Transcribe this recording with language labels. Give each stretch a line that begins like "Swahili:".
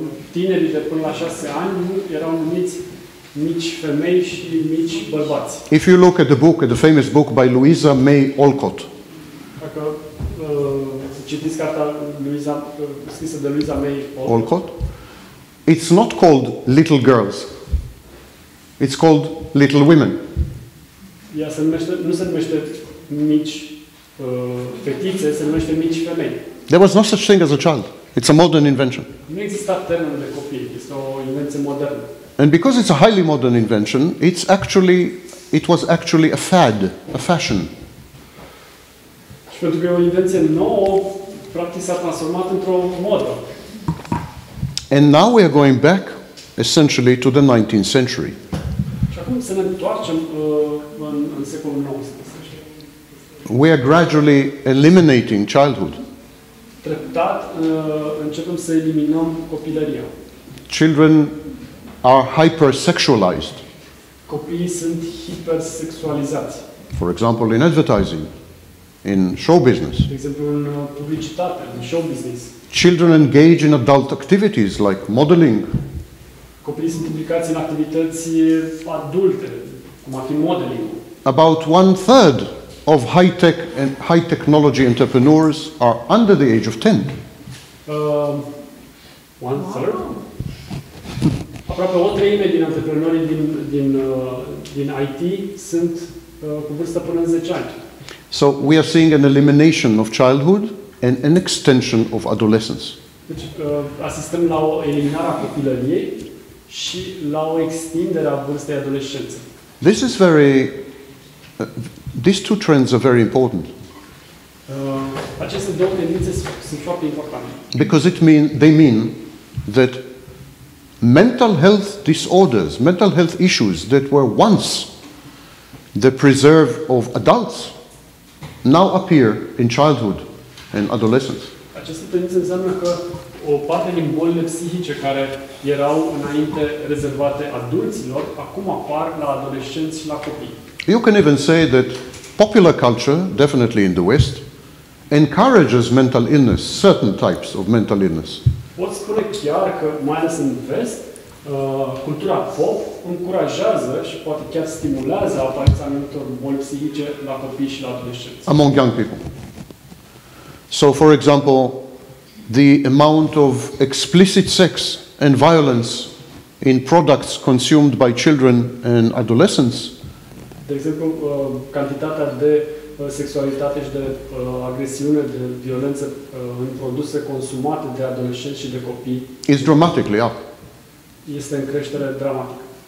Romanian: Tinerii de până la 6 ani erau numiți mici femei și mici bărbați.
English: If you look at the book, at the famous book by Louisa May Alcott.
Romanian: Dacă citiți cartea scrisă de Louisa May Alcott.
English: It's not called little girls. It's called little women.
Romanian: Ea se numește, nu se numește mici fetițe, se numește mici femei.
English: There was no such thing as a child. It's a modern invention.
Romanian: Nu există termenul de copil. Este o invenție modernă.
English: And because it's a highly modern invention, it was actually a fad, a fashion.
Romanian: Și pentru că e o invenție nouă, practic s-a transformat într-o modă.
English: And now we are going back, essentially, to the 19th century.
Romanian: Și acum să ne întoarcem în secolul 19.
English: We are gradually eliminating childhood.
Romanian: Treptat începem să eliminăm copilăria.
English: Children are hyper-sexualized.
Romanian: Copiii sunt hipersexualizați.
English: For example, in advertising, in show business. For example,
Romanian: in publicitate, in show business.
English: Children engage in adult activities like modeling.
Romanian: Copiii sunt implicați în activități adulte, cum ar fi modeling.
English: About one third of high-tech and high-technology entrepreneurs are under the age of 10. One third?
Romanian: Aproape o treime din antreprenorii din IT sunt cu vârstă până în 10 ani.
English: So we are seeing an elimination of childhood and an extension of adolescence.
Romanian: Deci asistăm la o eliminare a copilăriei și la o extindere a vârstei adolescenței.
English: This is very these two trends are very important.
Romanian: Aceste două tendințe sunt foarte importante.
English: Because they mean that mental health disorders, mental health issues that were once the preserve of adults now appear in childhood and adolescence.
Romanian: Aceste tendințe înseamnă că o parte din bolile psihice care erau înainte rezervate adulților, acum apar la adolescenți și la copii.
English: You can even say that popular culture, definitely in the West, encourages mental illness, certain types of mental illness.
Romanian: Pot spune chiar că, mai ales în vest, cultura pop încurajează și poate chiar stimulează apariția anumitor boli psihice la copii și la adolescenți.
English: Among young people. So, for example, the amount of explicit sex and violence in products consumed by children and adolescents.
Romanian: De exemplu, cantitatea de sexualitate și de agresiune, de violență în produse consumate de adolescenți și de copii
English: is dramatically up.
Romanian: Este în creștere dramatică.